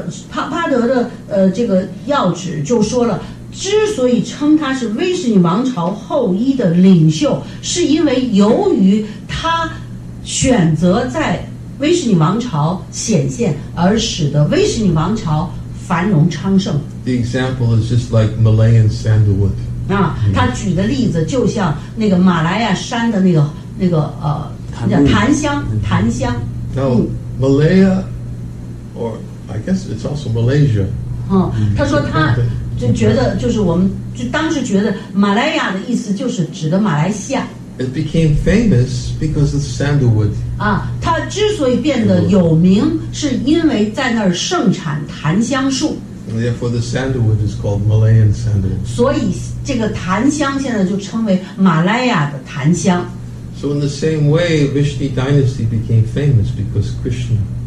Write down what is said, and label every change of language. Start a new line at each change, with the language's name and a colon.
Chinese: 帕德的这个要旨就说了，之所以称他是威士尼王朝后裔的领袖，是因为由于他选择在威士尼王朝显现，而使得威士尼王朝繁荣昌盛。
English: The example is just like Malayan sandalwood.
Chinese: 啊，他举的例子就像那个马来亚山的那个叫檀香。
English: No, Malaya. Or I guess it's also Malaysia.
Chinese: 他说他就觉得就是我们就当时觉得马来亚的意思就是指的马来西亚。
English: It became famous because of sandalwood.
Chinese: 啊，它之所以变得有名，是因为在那儿盛产檀香树。
English: Therefore, the sandalwood is called Malayan sandalwood.
Chinese: 所以这个檀香现在就称为马来亚的檀香。
English: So in the same way, Vishnu dynasty became famous because Krishna.